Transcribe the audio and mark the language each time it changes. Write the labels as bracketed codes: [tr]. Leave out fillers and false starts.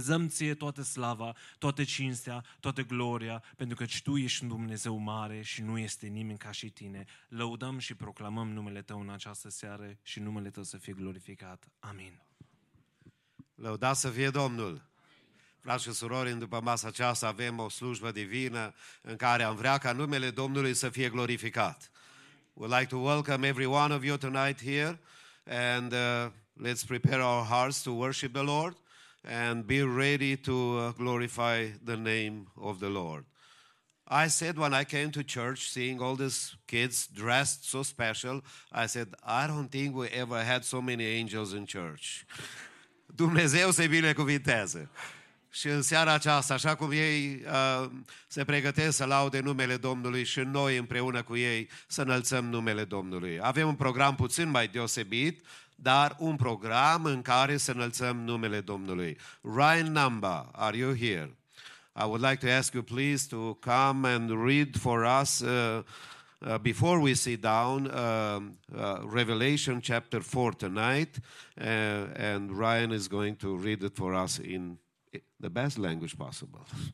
[ro] Dăm Ție toată slava, toată cinstea, toată gloria, pentru că Tu ești un Dumnezeu mare și nu este nimeni ca și Tine. Lăudăm și proclamăm numele Tău în această seară și numele Tău să fie glorificat. Amin. Lăudat să fie Domnul! Frați și surori, după masa aceasta avem o slujbă divină în care am vrea ca numele Domnului să fie glorificat. [en] We'd like to welcome every one of you tonight here, and let's prepare our hearts to worship the Lord and be ready to glorify the name of the Lord. I said when I came to church, seeing all these kids dressed so special, I said, I don't think we ever had so many angels in church. [ro] Dumnezeu să-i binecuvinteze! Și în seara aceasta, așa cum ei se pregătesc să laude numele Domnului și noi împreună cu ei să înălțăm numele Domnului. Avem un program puțin mai deosebit, dar un program în care să înălțăm numele Domnului. [en] Ryan Namba, are you here? I would like to ask you please to come and read for us, before we sit down, Revelation chapter 4 tonight, and Ryan is going to read it for us in the best language possible.